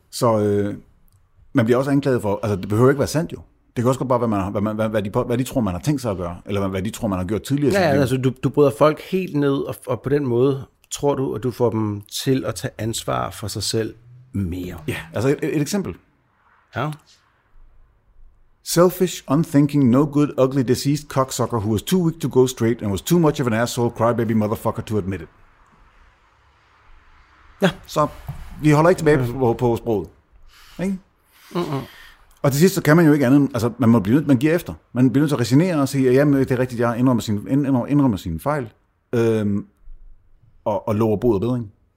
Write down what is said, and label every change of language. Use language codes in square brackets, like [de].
[da] Så man bliver også anklaget for, altså det behøver ikke være sandt jo. Det kan også godt bare være, hvad de tror, man har tænkt sig at gøre, eller hvad de tror, man har gjort tidligere. Ja, altså du bryder folk helt ned, og på den måde tror du, at du får dem til at tage ansvar for sig selv mere. Ja, altså et eksempel. Ja. [en] Selfish, unthinking, no good, ugly, deceased cocksucker, who was too weak to go straight and was too much of an asshole, crybaby motherfucker to admit it. [da] Ja. Så vi holder ikke tilbage på sproget. Ikke? Og til sidst, så kan man jo ikke andet, altså man må blive nødt, man giver efter. Man bliver nødt til at resignere og sige, ja, det er rigtigt, jeg indrømmer sine fejl, og lover bod og bedring.